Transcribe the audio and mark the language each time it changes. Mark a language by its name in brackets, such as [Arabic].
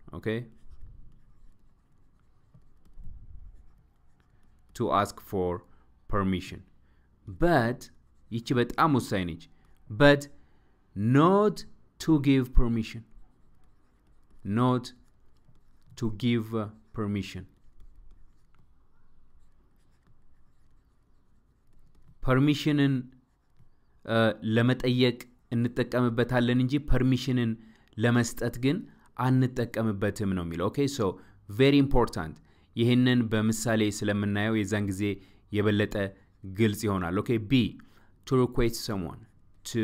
[English] Okay, to ask for permission. But [Amharic] ይቺ በጣም ወሳኝ ነች. [English] But not to give permission. [Amharic] ፐርሚሽንን ለመጠየቅ እንጠቀምበታለን እንጂ ፐርሚሽንን ለመስጠት ግን አንጠቀምበትም ነው የሚለው። [English] ኦኬ ሶ ቬሪ ኢምፖርታንት [Amharic] ይሄንን በመሳሌ ስለምናየው የዛን ጊዜ የበለጠ ግልጽ ይሆናል። [English] ኦኬ ቢ to request someone